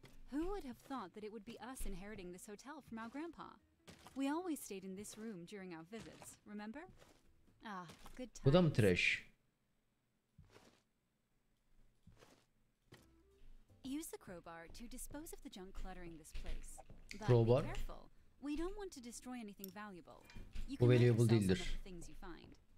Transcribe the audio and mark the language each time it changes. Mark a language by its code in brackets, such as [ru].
[en] Who would have thought that it would be us inheriting this hotel from our grandpa? We always stayed in this room during our visits, remember? Ah, good times. [tr] Bu da mı [en] trash? Use the crowbar to dispose of the junk cluttering this place. But crowbar. Be careful. We don't want to destroy anything valuable. You can make yourself some of the things you find.